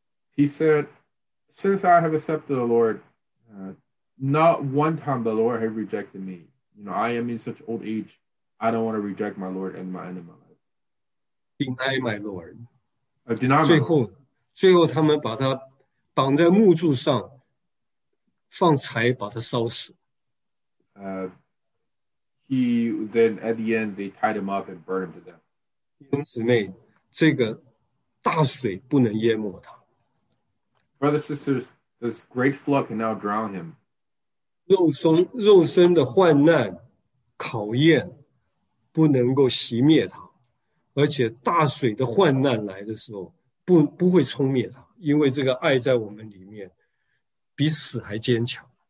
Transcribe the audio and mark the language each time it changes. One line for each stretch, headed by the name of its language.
English: He said, since I have accepted the Lord, not one time the Lord has rejected me. You know, I am in such old age. I don't want to reject my Lord and my end of my life. Deny my Lord. Deny my Lord.
Chinese: 最后他们把他绑在木柱上，放柴把他烧死。
English: He then at the end they tied him up and burned him to death.
Chinese: 弟兄姊妹，这个大水不能淹没他。
English: Brothers, sisters, this great flood can now drown him.
Chinese: 肉身的患难考验。不能够熄灭它，而且大水的患难来的时候，不会冲灭它，因为这个爱在我们里面，比死还坚强。